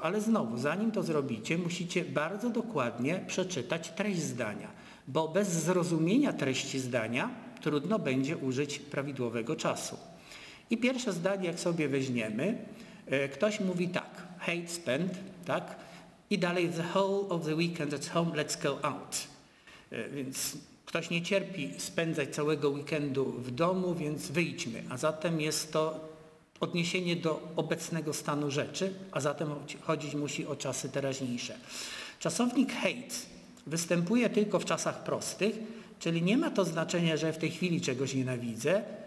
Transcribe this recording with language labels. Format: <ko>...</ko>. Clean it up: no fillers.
<pl>Ale znowu, zanim to zrobicie, musicie bardzo dokładnie przeczytać treść zdania, bo bez zrozumienia treści zdania trudno będzie użyć prawidłowego czasu. I pierwsze zdanie, jak sobie weźmiemy, ktoś mówi tak, hate spend, tak? I dalej</pl> <en>the whole of the weekend at home, let's go out.</en> <pl>Więc ktoś nie cierpi spędzać całego weekendu w domu, więc wyjdźmy, a zatem jest to odniesienie do obecnego stanu rzeczy, a zatem chodzić musi o czasy teraźniejsze. Czasownik hate występuje tylko w czasach prostych, czyli nie ma to znaczenia, że w tej chwili czegoś nienawidzę.</pl>